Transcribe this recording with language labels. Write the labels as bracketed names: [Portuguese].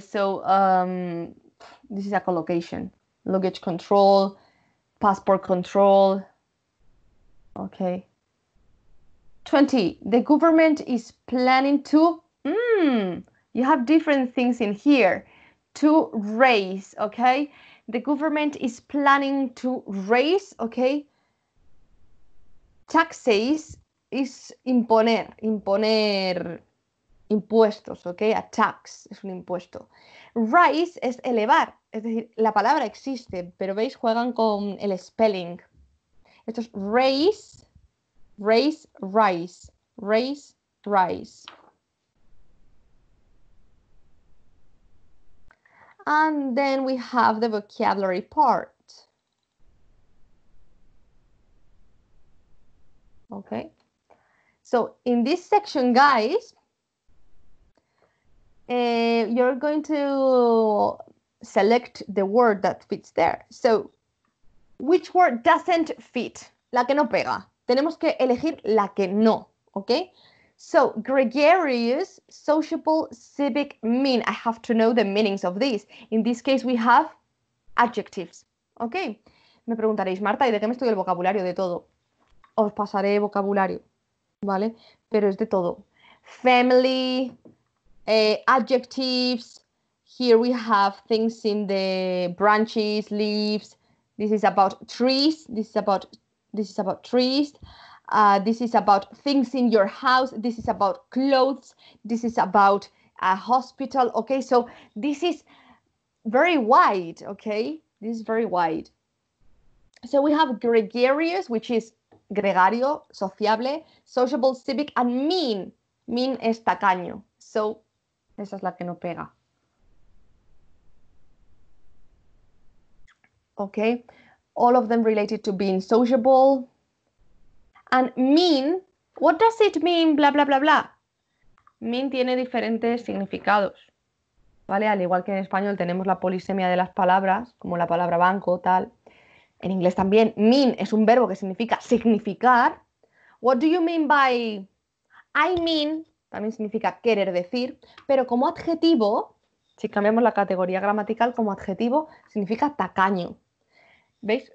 [English] So this is a collocation. Luggage control, passport control. Okay. 20. The government is planning to, you have different things in here, to raise, okay? The government is planning to raise, okay? [Spanish] Taxes is imponer, impuestos, okay? A tax es un impuesto. Raise es elevar, es decir, la palabra existe, pero veis, juegan con el spelling. Esto es raise. Raise, rise. [English] And then we have the vocabulary part. Okay. So in this section, guys, you're going to select the word that fits there. So which word doesn't fit? [Spanish] La que no pega. Tenemos que elegir la que no, ¿ok? So, gregarious, sociable, civic, mean. [English] I have to know the meanings of these. In this case, we have adjectives, ¿ok? [Spanish] Me preguntaréis, Marta, ¿y de qué me estudio el vocabulario? De todo. Os pasaré vocabulario, ¿vale? Pero es de todo. [English] Family, adjectives. Here we have things in the branches, leaves. This is about trees. This is about trees. This is about things in your house. This is about clothes. This is about a hospital. Okay, so this is very wide. Okay, this is very wide. So we have gregarious, which is gregario, sociable, sociable, civic, and mean. [Spanish] Mean es tacaño. So, esa es la que no pega. [English] Okay. All of them related to being sociable. And mean, what does it mean, blah, blah, blah, blah? [Spanish] Mean tiene diferentes significados, ¿vale? Al igual que en español tenemos la polisemia de las palabras, como la palabra banco, tal. En inglés también, mean es un verbo que significa significar. [English] What do you mean by I mean? [Spanish] También significa querer decir, pero como adjetivo, si cambiamos la categoría gramatical, como adjetivo significa tacaño. ¿Veis?